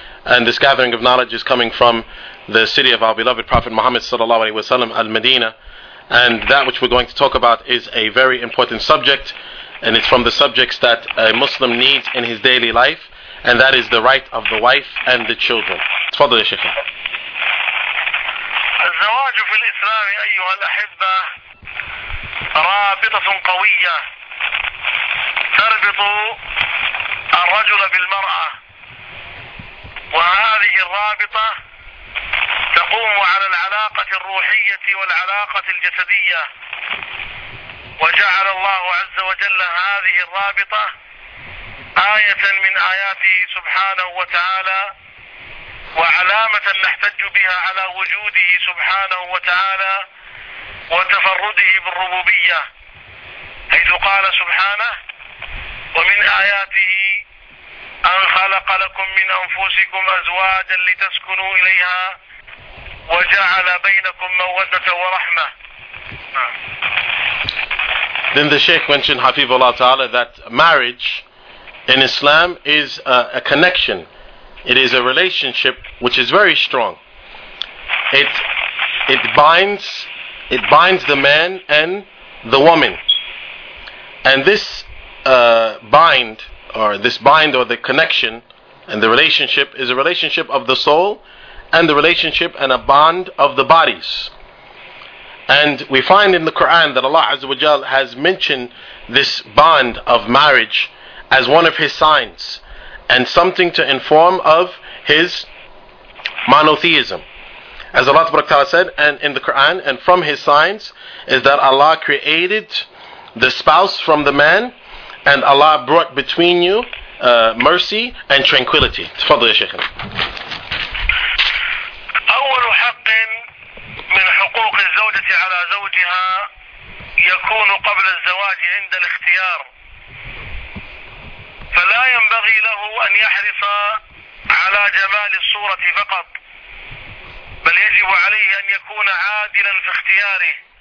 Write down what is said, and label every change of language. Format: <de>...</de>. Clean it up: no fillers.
<en>And this gathering of knowledge is coming from the city of our beloved Prophet Muhammad Sallallahu Alaihi Wasallam, Al-Madinah. And that which we're going to talk about is a very important subject, and it's from the subjects that a Muslim needs in his daily life, and that is the right of the wife and the children.</en> <ar>Tafadhal ya Sheikh. الزواج في الإسلام أيها الأحبة رابطة قوية تربط الرجل بالمرأة، وهذه الرابطة تقوم على العلاقة الروحية والعلاقة الجسدية، وجعل الله عز وجل هذه الرابطة آية من آياته سبحانه وتعالى، وعلامة نحتج بها على وجوده سبحانه وتعالى وتفرده بالربوبية، حيث قال سبحانه: ومن آياته أن خلق لكم من أنفسكم أزواجا لتسكنوا إليها وجعل بينكم مودة ورحمة.</ar> <en>Then the Sheikh mentioned, Hafizullah Ta'ala, that marriage in Islam is a connection. It is a relationship which is very strong. It binds the man and the woman. And this bind or the connection and the relationship is a relationship of the soul and the relationship and a bond of the bodies. And we find in the Quran that Allah Azza wa Jal has mentioned this bond of marriage as one of his signs and something to inform of his monotheism. As Allah Subhanahu wa Ta'ala said and in the Quran, and from his signs is that Allah created the spouse from the man and Allah brought between you mercy and tranquility.</en> <ar>Tafadhal ya Shaykh. أول حق من حقوق الزوجة على زوجها يكون قبل الزواج عند الاختيار، فلا ينبغي له أن يحرص على جمال الصورة فقط، بل يجب عليه أن يكون عادلا في اختياره،</ar>